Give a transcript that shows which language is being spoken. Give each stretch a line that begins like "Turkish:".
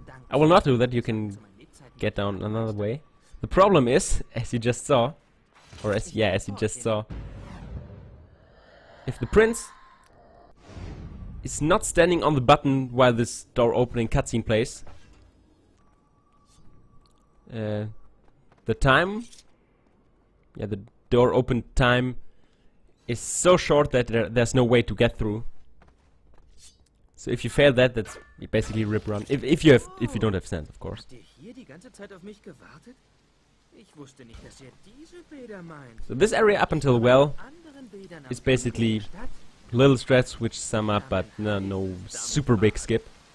English: I will not do that, you can get down another way. The problem is, as you just saw, if the prince is not standing on the button while this door opening cutscene plays, the door open time is so short that there's no way to get through. So if you fail that, that's basically rip run. If you don't have sand, of course.
German: Habt ihr hier die ganze Zeit auf mich gewartet? Ich wusste nicht, dass ihr diese Bäder meint.
English: So this area up until well is basically little stretch which sum up, but no super big skip.